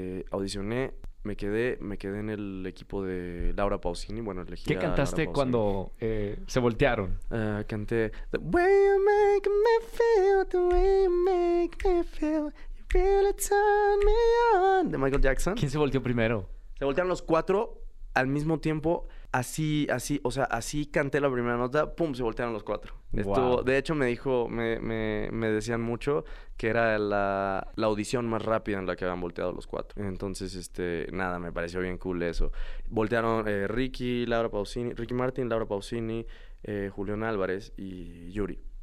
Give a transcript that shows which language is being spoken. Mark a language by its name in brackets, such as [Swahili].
[Spanish] Audicioné, me quedé en el equipo de Laura Pausini. Bueno, elegí. ¿Qué cantaste a cuando se voltearon? Canté [English] "The way you make me feel, the way you make me feel, you really turn me on", de Michael Jackson. [Spanish] ¿Quién se volteó primero? Se voltearon los 4 al mismo tiempo, así, o sea, así canté la primera nota, pum, se voltearon los 4. Wow. Estuvo, de hecho, me dijo, me decían mucho que era la audición más rápida en la que habían volteado los 4. Entonces, nada, me pareció bien cool eso. Voltearon Ricky Martin, Laura Pausini, Julián Álvarez y Yuri.